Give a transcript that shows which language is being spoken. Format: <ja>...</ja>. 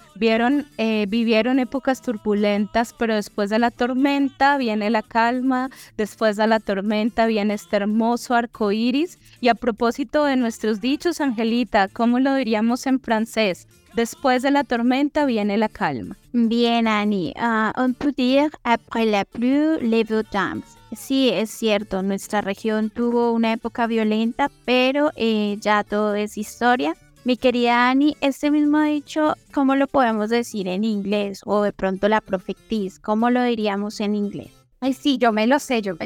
<es>vivieron épocas turbulentas, pero después de la tormenta viene la calma, después de la tormenta viene este hermoso arco iris. Y a propósito de nuestros dichos, Angelita, ¿cómo lo diríamos en francés? Después de la tormenta viene la calma. Bien, Annie.</es> <fr>On peut dire après la pluie, le beau temps.</fr> <es>Sí, es cierto, nuestra región tuvo una época violenta, pero ya todo es historia. Mi querida Annie, este mismo dicho, ¿cómo lo podemos decir en inglés? O de pronto la profetiz, ¿cómo lo diríamos en inglés? Ay, sí, yo me lo sé.</es>